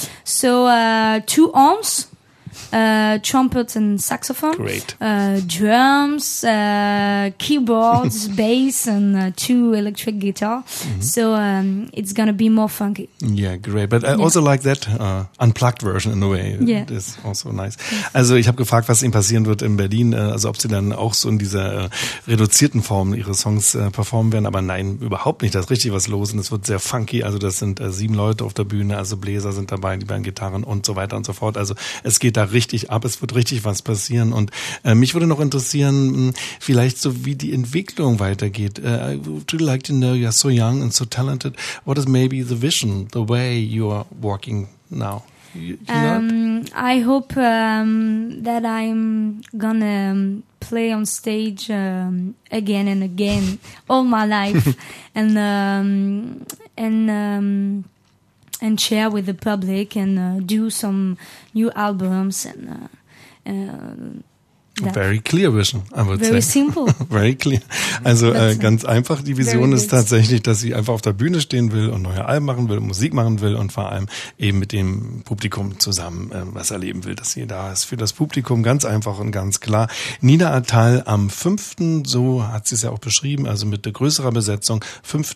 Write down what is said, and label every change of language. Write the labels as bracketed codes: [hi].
[en] So two horns. Trumpet and saxophone, great. Drums, keyboards, bass, and two electric guitar. So it's gonna be more funky. Yeah, great. But I also like that unplugged version in a way. Yeah, it is also nice. [de] Also ich habe gefragt, was Ihnen passieren wird in Berlin. Also ob Sie dann auch so in dieser reduzierten Form Ihre Songs performen werden. Aber nein, überhaupt nicht. Da ist richtig was los und es wird sehr funky. Also das sind sieben Leute auf der Bühne. Also Bläser sind dabei, die beiden Gitarren und so weiter und so fort. Also es geht da richtig ab, es wird richtig was passieren und mich würde noch interessieren, vielleicht so wie die Entwicklung weitergeht. [en] I would really like to know, you're so young and so talented. What is maybe the vision, the way you are working now? I hope that I'm gonna play on stage again and again all my life and share with the public and do some new albums and that. Very clear vision, I would very Very simple. Very clear. [de] Also ganz einfach, die Vision ist tatsächlich, dass sie einfach auf der Bühne stehen will und neue Alben machen will, Musik machen will und vor allem eben mit dem Publikum zusammen was erleben will, dass sie da ist für das Publikum, ganz einfach und ganz klar. Nina Atal am 5., so hat sie es ja auch beschrieben, also mit der größeren Besetzung, 5.